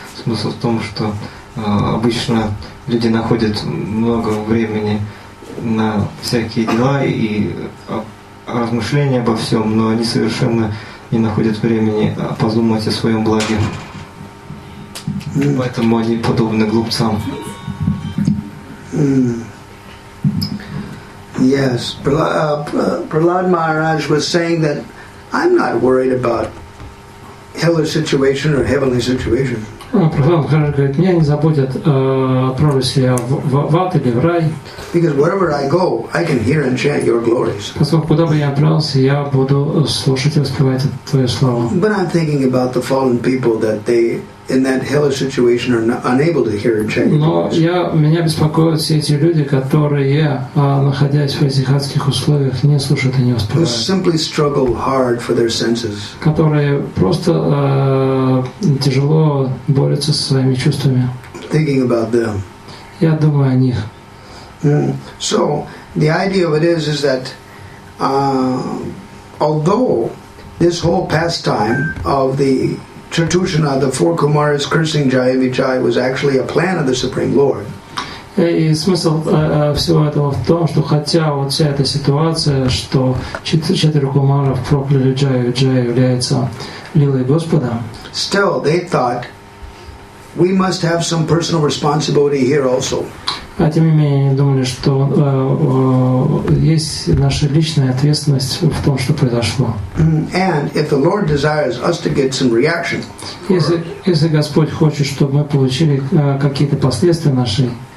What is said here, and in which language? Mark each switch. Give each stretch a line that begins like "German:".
Russian: Смысл в том, что обычно люди находят много времени на всякие дела и размышления обо всем, но они совершенно не находят времени подумать о своем благе. Поэтому они подобны глупцам.
English: Yes, Prahlad Maharaj was saying that I'm not worried about hellish situation or heavenly situation.
Russian: Prahlad Maharaj говорит, меня не заботят отправлюсь я в ад или в рай.
English: Because wherever I go, I can hear and chant your glories.
Russian: Поскольку куда бы я отправился, я буду слушать и воспевать твою славу.
English: But I'm thinking about the fallen people that they in that hellish situation are unable to hear and chant.
Russian: Но меня беспокоят все эти люди, которые, находясь в этих адских условиях, не слушают и не воспевают.
English: Who simply struggle hard for their senses.
Russian: Которые просто тяжело борются со своими чувствами.
English: Thinking about them.
Russian: Я думаю о них.
English: So the idea of it is that although this whole pastime of the Chatushana, the four Kumaras cursing Jaya Vijaya, was actually a plan of the Supreme Lord.
Russian: И смысл всего этого в том, что хотя вот вся эта ситуация, что четыре Кумара прокляли Джаю Виджаю, является лилой Господа.
English: Still, they thought we must have some personal responsibility here also.
Russian: А тем не менее, они думали, что есть наша личная ответственность в том, что произошло.
English: And if the Lord desires us to get some reaction,
Russian: если Господь хочет, чтобы мы получили какие-то последствия нашей